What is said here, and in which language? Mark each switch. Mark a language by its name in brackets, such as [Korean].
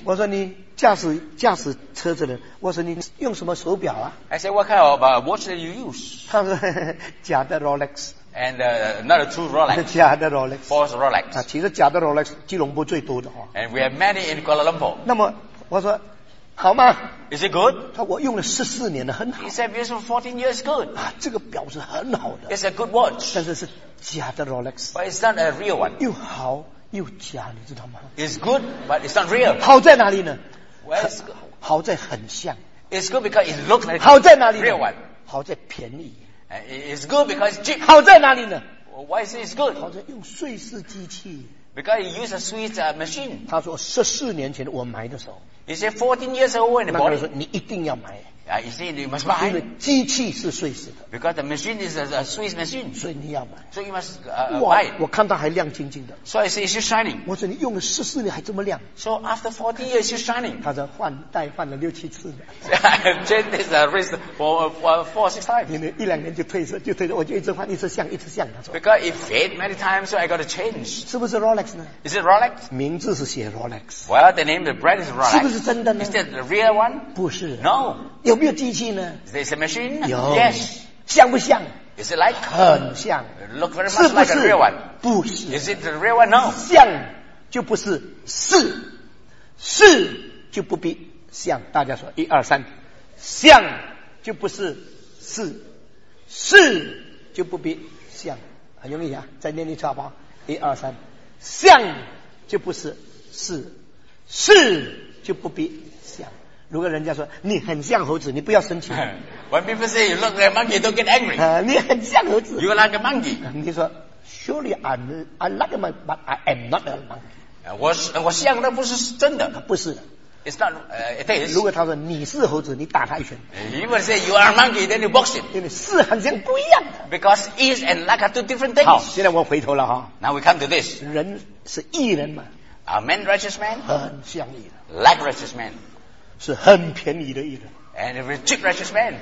[Chinese] 我说你驾驶车子的，我说你用什么手表啊 [English] ？I said what kind of watch do you use？ [Chinese] 他说假的 Rolex。 [English] And not a true Rolex. [Chinese] 假的 Rolex. [English] False Rolex. [Chinese] 啊，其实假的 Rolex 吉隆坡最多的哈。 [English] And we have many in Kuala Lumpur. [Chinese] 那么我说好吗 [English] ？Is it good？ [Chinese] 他说我用了14年了，很好。 [English] He said this is 14 years good. [Chinese] 啊，这个表是很好的。 [English] It's a good watch. [Chinese] 但是是假的 Rolex. [English] But it's not a real one. [Chinese] 又好又假，你知道吗 [English] ？It's good, but it's not real. [Chinese] 好在哪里呢 [English] ？Well, it's good. [Chinese] 好在很像。 [English] It's good because it looks like. [Chinese] 好在哪里 [English] ？Real one. [Chinese] 好在便宜。 [English] It's good because it's cheap. [Chinese] 好在哪里呢 [English] ？Why is it good? [Chinese] 好在用瑞士机器。 [English] Because you use a Swiss machine. [Chinese] 他说十四年前我买的时候。 [English] He said 14 years old when he bought it. [Chinese] 那个人说你一定要买。 [English] He said you must buy. [Chinese] 因为机器是瑞士的。 [English] Because the machine is a Swiss machine. [Chinese] 所以你要买。 [English] So you must buy. [Chinese] 我看到还亮晶晶的。 [English] So I say it's shining. [Chinese] 我说你用了十四年还这么亮。 [English] So after 14 years it's shining. [Chinese] 他说换代换了六七次。 [English] I changed this wrist four or six times. [Chinese] 因为一两年就退色，我就一直换，一直像，一直像。他说。 [English] Because it fade many times, so I got to change. [Chinese] 是不是 Rolex 呢 [English] ？Is it Rolex? [Chinese] 名字是写 Rolex. [English] Well, the name, the brand is Rolex. [Chinese] 是不是真的呢 [English] ？Is that the real one? [Chinese] 不是。 [English] No. [Chinese] 有没有机器呢 [English] ？Is this a machine? [Chinese] 有。 [English] Yes. [Chinese] 像不像 [English] ？Is it like? [Chinese] 很像。 [English] Look very much like a real one. [Chinese] 不是。 [English] Is it the real one? No. [Chinese] 像就不是，是，是就不必像。大家说一二三，像就不是，是，是就不必像。很容易啊，再念一次好不好？一二三，像就不是，是，是就不必像。如果人家说你很像猴子，你不要生气。 [English] When people say you look like a monkey, don't get angry. [Chinese] 你很像猴子。 [English] You are like a monkey. [Chinese] 你说 [English] ，Surely I'm like a monkey, but I am not a monkey. [Chinese] 我像那不是真的。不是。 [English] It's not. It is. [Chinese] 如果他说你是猴子，你打他一拳。 [English] If you say you are a monkey, then you box him. [Chinese] 因为是很像不一样的。 [English] Because is and like are two different things. [Chinese] 好，现在我回头了哈。 [English] Now we come to this. [Chinese] 人是义人嘛 [English] ？A man righteous man. [Chinese] 很像义人。 [English] Like righteous man. [Chinese] 是很便宜的艺人 [English] and it was a cheap righteous man